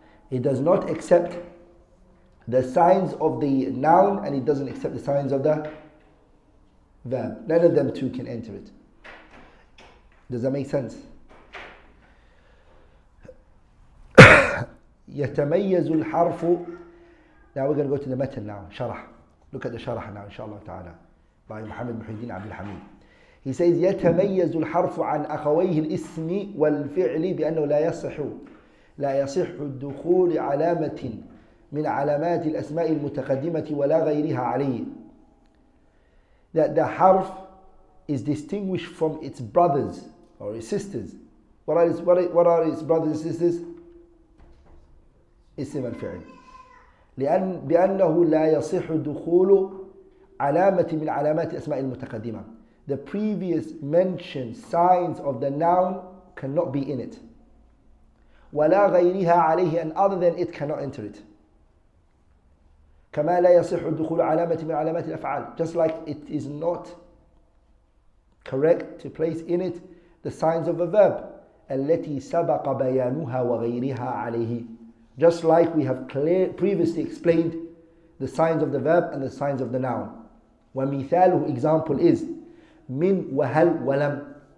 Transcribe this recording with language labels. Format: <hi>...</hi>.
<en>It does not accept the signs of the noun and it doesn't accept the signs of the verb. None of them too can enter it. Does that make sense?</en> <ar>يتميز الحرف.</ar> <en>Now we're going to go to the matan now.</en> <ar>شرح.</ar> <en>Look at the شرح now, inshallah ta'ala. By Muhammad Muhyiddin Abdul Hamid. He says,</en> <ar>يتميز الحرف عن أخويه الاسم والفعل بأنه لا يصح. لا يصح الدخول علامة من علامات الأسماء المتقدمة ولا غيرها عليه.</ar> <en>That the harf is distinguished from its brothers or its sisters. What are its brothers and sisters?</en> <ar>اسم الفعل. لأن بأنه لا يصح دخول علامة من علامات الأسماء المتقدمة.</ar> <en>The previous mentioned signs of the noun cannot be in it.</en> <ar>ولا غيرها عليه,</ar> <en>and other than it cannot enter it.</en> <ar>كما لا يصح دخول علامة من علامات الأفعال.</ar> <en>Just like it is not correct to place in it the signs of a verb</en> <ar>التي سبق بيانها وغيرها عليه.</ar> <en>Just like we have previously explained the signs of the verb and the signs of the noun.</en> <ar>وَمِثَالُهُ</ar> <en>example is</en> <ar>مِنْ وَهَلْ وَلَمْ.</ar>